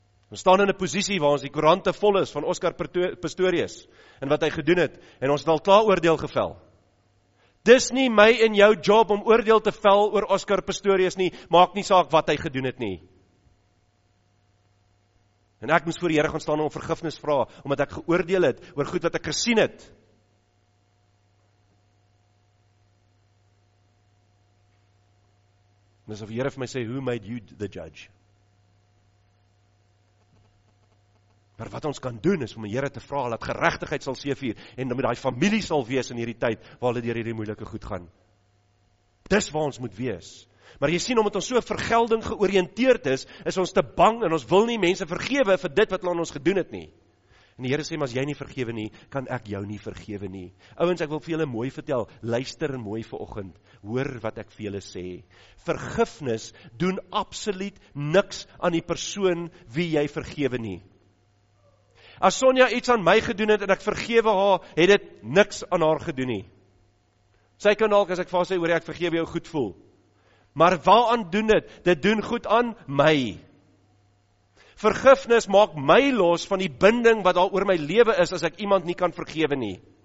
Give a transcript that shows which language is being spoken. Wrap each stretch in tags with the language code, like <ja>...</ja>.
<af>Ons staan in 'n posisie waar ons die koerante vol is van Oscar Pistorius en wat hy gedoen het, en ons het al klaar oordeel gevel. Dis nie my en jou job om oordeel te vel oor Oscar Pistorius nie, maak nie saak wat hy gedoen het nie. En ek moes voor die Here gaan staan en om vergifnis vra, omdat ek geoordeel het oor goed wat ek gesien het. En asof die Here vir my sê,</af> <en>who made you the judge?</en> <af>Maar wat ons kan doen is om die Here te vra dat geregtigheid sal seëvier en dat daai familie sal wees in hierdie tyd waar hulle deur hierdie moeilike goed gaan. Dis waar ons moet wees. Maar jy sien, omdat ons so vergelding georiënteerd is, is ons te bang en ons wil nie mense vergewe vir dit wat hulle aan ons gedoen het nie. En die Here sê, maar as jy nie vergewe nie, kan ek jou nie vergewe nie. Ouens, ek wil vir julle mooi vertel, luister mooi vanoggend, hoor wat ek vir julle sê. Vergifnis doen absoluut niks aan die persoon wie jy vergewe nie. As Sonja iets aan my gedoen het en ek vergewe haar, het dit niks aan haar gedoen nie. Sy kan dalk as ek vir sy hoor, ek vergewe jou goed voel. Maar waaraan doen dit? Dit doen goed aan my. Vergifnis maak my los van die binding wat al oor my lewe is as ek iemand nie kan vergewe nie.</af>